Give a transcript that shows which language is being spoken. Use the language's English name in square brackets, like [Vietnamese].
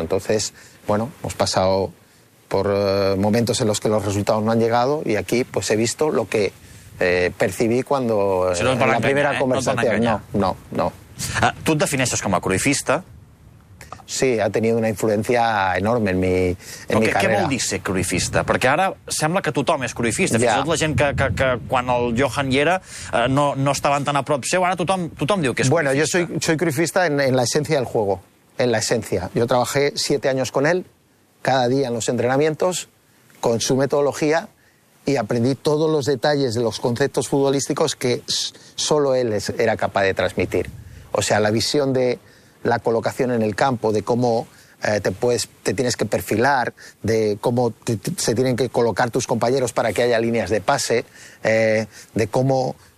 [Spanish] Entonces, bueno, hemos pasado por momentos en los que los resultados no han llegado y aquí pues he visto lo que percibí cuando conversación. No. Tú te defines como cruifista. Sí, ha tenido una influencia enorme en mi carrera. [Catalan] Què vol dir ser cruifista? Perquè ara sembla que tothom és cruifista. Fins i tot la gent que quan el Johan hi era no estaven tan a prop seu, ara tothom diu que és cruifista. Bueno, cruifista. [Spanish] Yo soy cruifista en la esencia del juego. En la esencia. Yo trabajé 7 años con él, cada día en los entrenamientos, con su metodología, y aprendí todos los detalles de los conceptos futbolísticos que solo él era capaz de transmitir. O sea, la visión de la colocación en el campo, de cómo te tienes que perfilar, de cómo se tienen que colocar tus compañeros para que haya líneas de pase, de cómo